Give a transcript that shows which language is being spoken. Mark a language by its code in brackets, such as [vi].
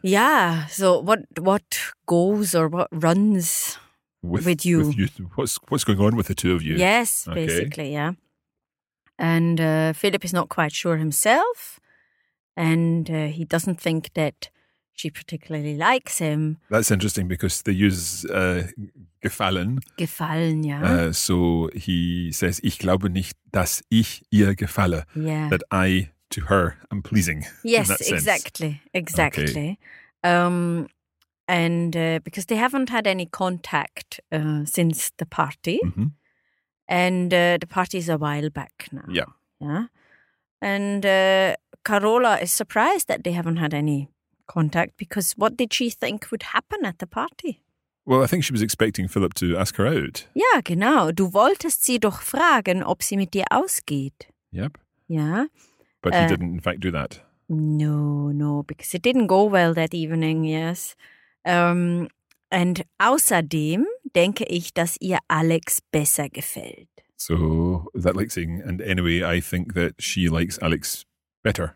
[en] Yeah, so what goes or what runs with you? With you? What's going on with the two of you? Yes, okay. Basically, yeah. And Philip is not quite sure himself. And he doesn't think that she particularly likes him. That's interesting because they use gefallen. Gefallen, yeah. So he says, [de] ich glaube nicht, dass ich ihr gefalle. [en] Yeah. That I, to her, am pleasing. Yes, exactly. Exactly. Okay. And because they haven't had any contact since the party. Mm-hmm. And the party is a while back now. Yeah. Yeah. And Carola is surprised that they haven't had any contact because what did she think would happen at the party? Well, I think she was expecting Philip to ask her out. [de] Ja, genau. Du wolltest sie doch fragen, ob sie mit dir ausgeht. [en] Yep. Yeah. But he didn't in fact do that. No, because it didn't go well that evening, yes. And [de] außerdem denke ich, dass ihr Alex besser gefällt. [en] So, is that like saying, and anyway, I think that she likes Alex better.